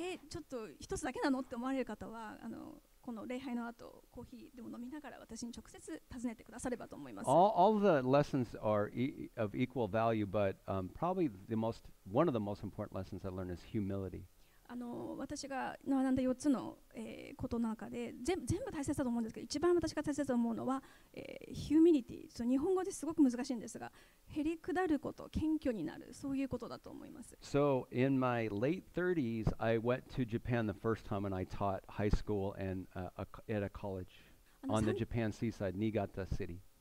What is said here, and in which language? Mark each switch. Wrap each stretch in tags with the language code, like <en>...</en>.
<ja>ちょっと1つだけなのって思われる方は、この礼拝の後コーヒーでも飲みながら私に直接尋ねてくださればと思います。</ja> <en>All the lessons are of equal value, but probably the most one of the most important lessons I learned is humility.</en> <ja>私が学んだ4つの、ことの中で全部大切だと思うんですけど、一番私が大切だと思うのは、humility。日本語ですごく難しいんですが、へりくだること、謙虚になる、そういうことだと思います。</ja> <en>So in my late 30s, I went to Japan the first time and I taught high school and at a college on the Japan seaside, Niigata city.</en>